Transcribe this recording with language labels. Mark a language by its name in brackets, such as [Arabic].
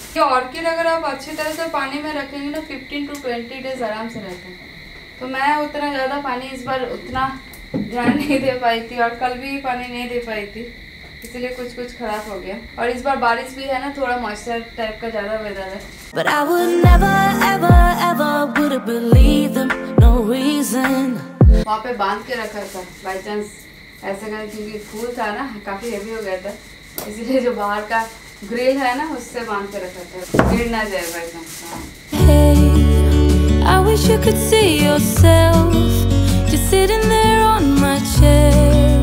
[Hindi] ये ऑर्किड अगर आप अच्छी तरह से पानी में रखेंगे ना, 15-20 डेज आराम से रहते हैं, तो मैं उतना ज्यादा पानी इस बार उतना ध्यान नहीं दे पाई थी और कल भी पानी नहीं दे पाई थी, इसलिए कुछ कुछ खराब हो गया। और इस बार बारिश भी है ना, थोड़ा मॉइस्चर टाइप का ज्यादा वेदर है। [English] But I would never, ever, ever would believe them, no reason. [Hindi] वहाँ पे बांध के रखा था by chance, ऐसे करें क्योंकि फूल था ना काफी हेवी हो गया था, इसलिए जो बाहर का ग्रिल है ना उससे बांध के रखा था, गिर ना जाए by chance। [English] Hey, I wish you could see yourself just sitting there on my chair.